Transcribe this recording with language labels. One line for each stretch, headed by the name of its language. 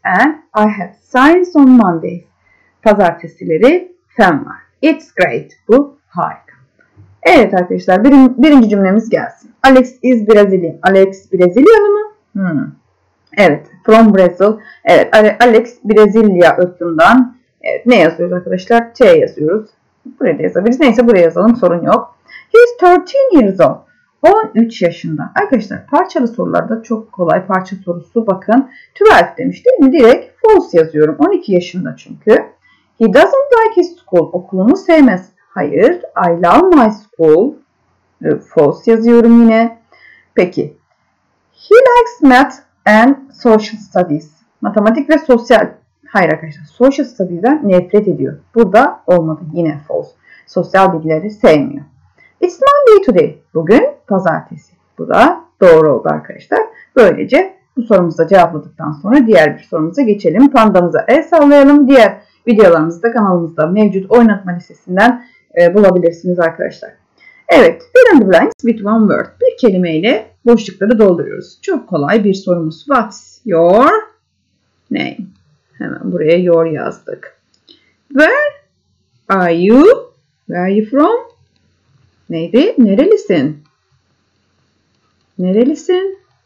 English: And I have science on Monday.
Turkish: Pazartesileri fen var.
English: It's great.
Turkish: Bu harika. Evet arkadaşlar, birinci cümlemiz gelsin.
English: Alex is Brazilian.
Turkish: Alex Brezilyalı mı? Evet,
English: from Brazil.
Turkish: Evet, Alex Brezilya ırkından. Evet, ne yazıyoruz arkadaşlar? T yazıyoruz. Buraya da yazabiliriz. Neyse, buraya yazalım, sorun yok.
English: He is 13 years old.
Turkish: 13 yaşında. Arkadaşlar, parçalı sorularda çok kolay. Parça sorusu bakın. 12 demiş değil mi? Direkt false yazıyorum. 12 yaşında çünkü.
English: He doesn't like his school.
Turkish: Okulunu sevmez. Hayır,
English: I love my school.
Turkish: False yazıyorum yine. Peki.
English: He likes math and social studies.
Turkish: Matematik ve sosyal. Hayır arkadaşlar, social studies'den nefret ediyor. Burada olmadı. Yine false. Sosyal bilgileri sevmiyor.
English: It's Monday today.
Turkish: Bugün pazartesi. Bu da doğru oldu arkadaşlar. Böylece bu sorumuzu da cevapladıktan sonra diğer bir sorumuza geçelim. Pandamıza el sallayalım. Diğer videolarımız da kanalımızda mevcut oynatma listesinden bulabilirsiniz arkadaşlar.
English: Evet, fill in the blanks with one word.
Turkish: Bir kelimeyle boşlukları dolduruyoruz. Çok kolay bir sorumuz.
English: What's your name?
Turkish: Hemen buraya your yazdık.
English: Where are you? Where are you from?
Turkish: Neydi? Nerelisin? Nerelisin?